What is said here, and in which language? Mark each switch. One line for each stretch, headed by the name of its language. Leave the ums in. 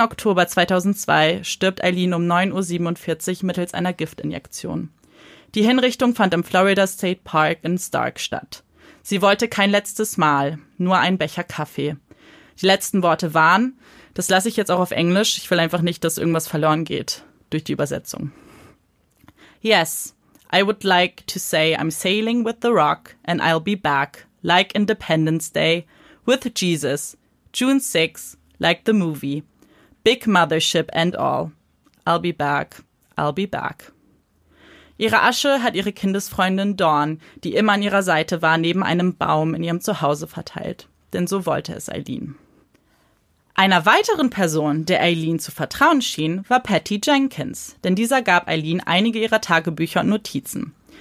German: Oktober 2002 stirbt Eileen um 9.47 Uhr mittels einer Giftinjektion. Die Hinrichtung fand im Florida State Park in Stark statt. Sie wollte kein letztes Mal, nur einen Becher Kaffee. Die letzten Worte waren, das lasse ich jetzt auch auf Englisch, ich will einfach nicht, dass irgendwas verloren geht durch die Übersetzung.
English: Yes, I would like to say I'm sailing with the rock and I'll be back, like Independence Day, with Jesus, June 6, like the movie. Big Mothership and all. I'll be back. I'll be back.
German: Ihre Asche hat ihre Kindesfreundin Dawn, die immer an ihrer Seite war, neben einem Baum in ihrem Zuhause verteilt. Denn so wollte es Eileen. Einer weiteren Person, der Eileen zu vertrauen schien, war Patty Jenkins, denn dieser gab Eileen einige ihrer Tagebücher und Notizen.